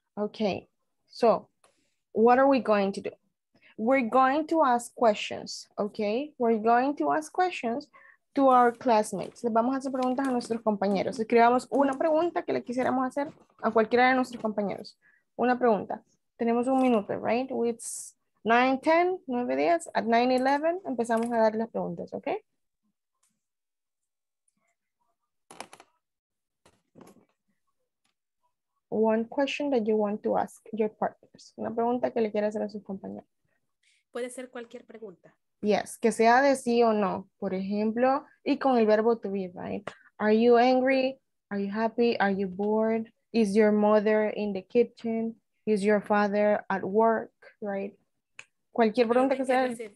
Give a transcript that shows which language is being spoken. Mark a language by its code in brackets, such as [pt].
[en] Okay, so what are we going to do? We're going to ask questions, okay? We're going to ask questions to our classmates. [es] Les vamos a hacer preguntas a nuestros compañeros. Escribamos una pregunta que le quisiéramos hacer a cualquiera de nuestros compañeros. Una pregunta. Tenemos un minuto, [en] right? It's 9:10, 9:10. At 9:11, [es] empezamos a dar las preguntas, [en] okay? One question that you want to ask your partners. [es] Una pregunta que le quiera hacer a sus compañeros. Puede ser cualquier pregunta. Yes, que sea de sí o no. Por ejemplo, y con el verbo [en] to be, right? Are you angry? Are you happy? Are you bored? Is your mother in the kitchen? Is your father at work, right? [es] Cualquier pregunta que sea.